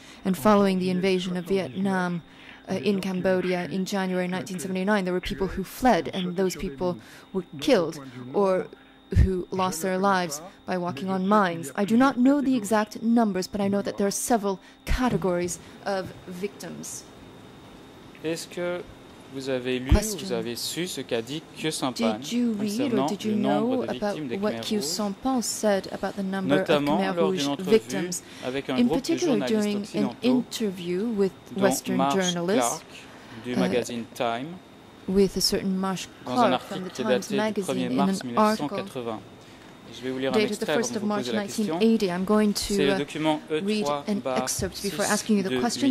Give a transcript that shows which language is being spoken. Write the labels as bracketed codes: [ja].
[en] And following the invasion of Vietnam in Cambodia in January 1979, there were people who fled, and those people were killed or who lost their lives by walking on mines. I do not know the exact numbers, but I know that there are several categories of victims. [fr] Vous avez lu, question. Vous avez su ce qu'a dit Khieu Samphan concernant le nombre de victimes des Khmer Rouge, notamment lors d'une entrevue victims, avec un groupe de journalistes occidentaux, dont Marsh Clark du magazine Time, [en] with a certain Marsh Clark [fr] dans un article qui est daté du 1er mars 1980. [en] Dated the 1st of March 1980, I'm going to read an excerpt before asking you the question.